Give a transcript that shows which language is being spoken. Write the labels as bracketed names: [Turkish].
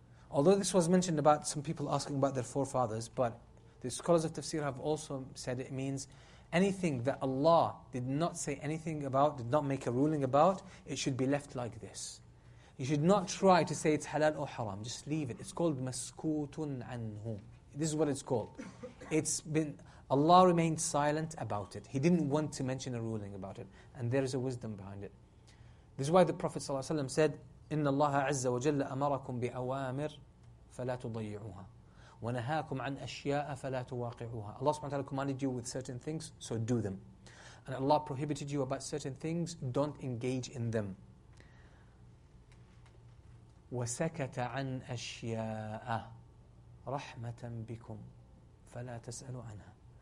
[English] Although this was mentioned about some people asking about their forefathers, but the scholars of tafsir have also said it means anything that Allah did not say anything about, did not make a ruling about, it should be left like this. You should not try to say it's halal or haram. Just leave it. It's called maskutun anhu. This is what it's called. It's been, Allah remained silent about it. He didn't want to mention a ruling about it. And there is a wisdom behind it. This is why the Prophet ﷺ said, [Arabic] إِنَّ اللَّهَ عَزَّ وَجَلَّ أَمَرَكُمْ بِأَوَامِرٍ فَلَا تُضَيِّعُوهَا وَنَهَاكُمْ عَنْ أَشْيَاءَ فَلَا تُوَاقِعُوهَا. [English] Allah subhanahu wa ta'ala commanded you with certain things, so do them. And Allah prohibited you about certain things, don't engage in them. [Arabic] وَسَكَتَ عَنْ أَشْيَاءَ رَحْمَةً بِكُمْ فَلَا تَسْأَلُ عَنْهَا.